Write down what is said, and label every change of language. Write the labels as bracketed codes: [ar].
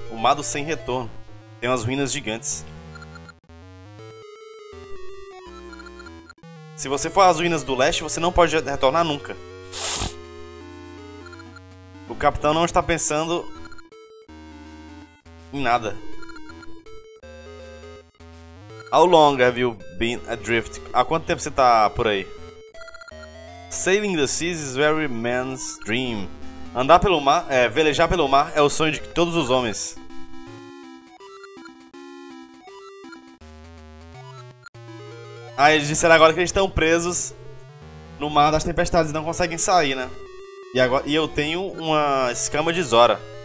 [pt] O mar do sem retorno. Tem umas ruínas gigantes. Se você for às ruínas do leste, você não pode retornar nunca. O capitão não está pensando em nada. [en] How long have you been adrift? [pt] Há quanto tempo você está por aí? [en] Sailing the seas is every man's dream. [pt] Andar pelo mar, velejar pelo mar é o sonho de todos os homens. Ah, eles disseram agora que eles estão presos no mar das tempestades e não conseguem sair, né? E eu tenho uma escama de Zora.